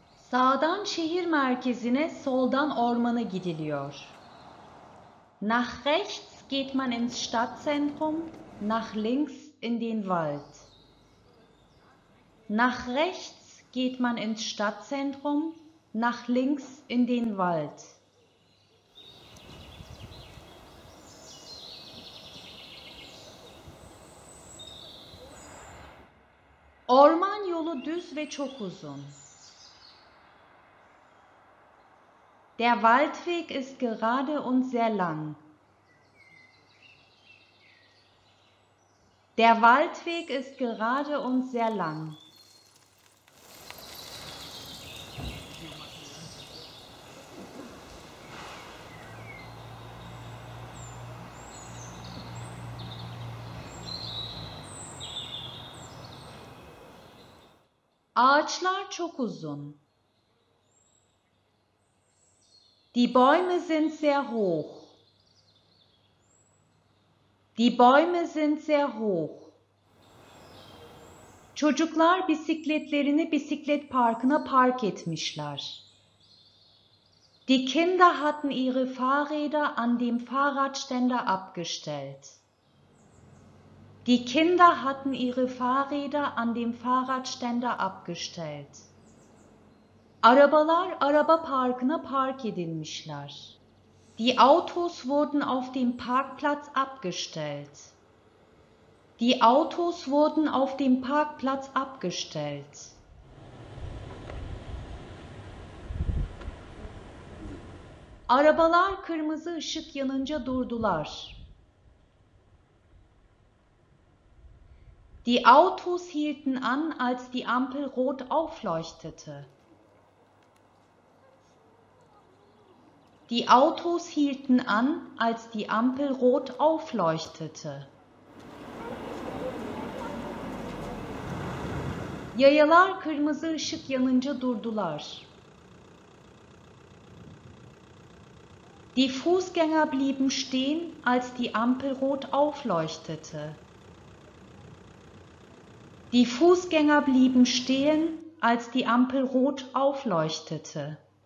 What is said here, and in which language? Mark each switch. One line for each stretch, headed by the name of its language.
Turkish: Sağdan şehir merkezine, soldan ormana gidiliyor.
German: Nach rechts geht man ins Stadtzentrum, nach links in den Wald. Nach rechts geht man ins Stadtzentrum, nach links in den Wald.
Turkish: Orman yolu düz ve çok uzun.
German: Der Waldweg ist gerade und sehr lang. Der Waldweg ist gerade und sehr lang.
Turkish: Ağaçlar çok uzun.
German: Die Bäume sind sehr hoch. Die Bäume sind sehr hoch.
Turkish: Çocuklar bisikletlerini bisiklet parkına park etmişler.
German: Die Kinder hatten ihre Fahrräder an dem Fahrradständer abgestellt. Die Kinder hatten ihre Fahrräder an dem Fahrradständer abgestellt.
Turkish: Arabalar araba parkına park edilmişler.
German: Die Autos wurden auf dem Parkplatz abgestellt. Die Autos wurden auf dem Parkplatz abgestellt.
Turkish: Arabalar kırmızı ışık yanınca durdular.
German: Die Autos hielten an, als die Ampel rot aufleuchtete. Die Autos hielten an, als die Ampel rot aufleuchtete.
Turkish: Yayalar kırmızı ışık yanınca durdular.
German: Die Fußgänger blieben stehen, als die Ampel rot aufleuchtete. Die Fußgänger blieben stehen, als die Ampel rot aufleuchtete.